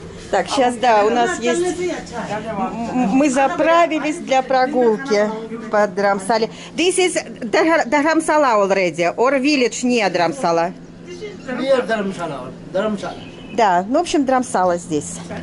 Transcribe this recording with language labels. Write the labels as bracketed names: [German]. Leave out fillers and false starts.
[Russian] Так, сейчас, да, у нас есть... Мы заправились для прогулки по Дхармасале. [English] This is Dharamsala already, or village near Dharamsala. Near Dharamsala. [Russian] Да, ну, в общем, Дхармасала здесь.